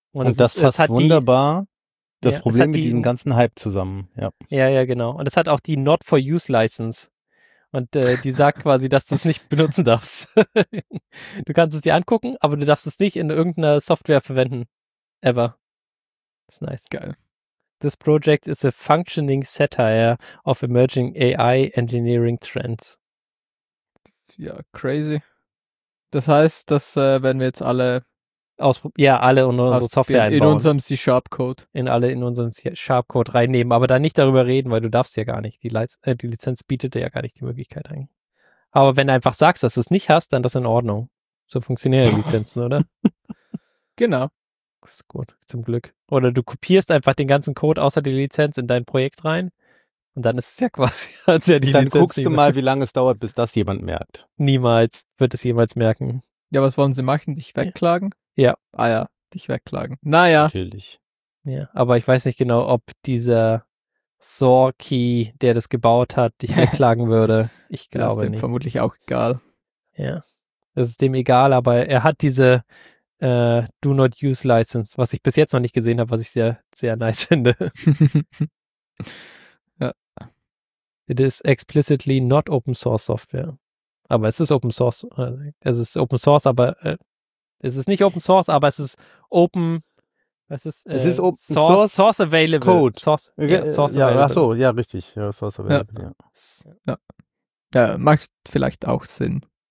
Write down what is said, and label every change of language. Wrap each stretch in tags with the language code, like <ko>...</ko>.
<de>Und das passt wunderbar mit diesem ganzen Hype zusammen. Ja. Ja, genau. Und es hat auch die Not for Use License. Und die sagt quasi, dass du es nicht benutzen darfst. Du kannst es dir angucken, aber du darfst es nicht in irgendeiner Software verwenden. Ever. Das ist nice. Geil.</de> <en>This project is a functioning satire of emerging AI engineering trends.</en> <de>Ja, crazy. Das heißt, dass wenn wir jetzt alle unsere Software einbauen. In unserem C-Sharp-Code. In unseren C-Sharp-Code reinnehmen, aber dann nicht darüber reden, weil du darfst ja gar nicht. Die Lizenz bietet dir ja gar nicht die Möglichkeit ein. Aber wenn du einfach sagst, dass du es nicht hast, dann ist das in Ordnung. So funktionieren Lizenzen, oder? Genau. Das ist gut, zum Glück. Oder du kopierst einfach den ganzen Code außer die Lizenz in dein Projekt rein und dann ist es ja quasi als ja die dann Lizenz. Dann guckst du mal, wie lange es dauert, bis das jemand merkt. Niemals wird es jemals merken. Ja, was wollen sie machen? Dich wegklagen? Ja. Ah ja, dich wegklagen. Naja. Natürlich. Ja, aber ich weiß nicht genau, ob dieser Sorki, der das gebaut hat, dich wegklagen würde. Ich glaube nicht. Ist dem nicht. Vermutlich auch egal. Ja, das ist dem egal, aber er hat diese Do Not Use License, was ich bis jetzt noch nicht gesehen habe, was ich sehr, sehr nice finde. Ja.</de> <en>It is explicitly not Open Source Software.</en> <de>Aber es ist Open Source. Es ist Open Source, aber es ist nicht Open Source, aber es ist Open. Es ist Open Source Available. Code. Source Available. Ach so, ja, richtig. Ja, Source Available. Ja. Ja. Ja, macht vielleicht auch Sinn.</de>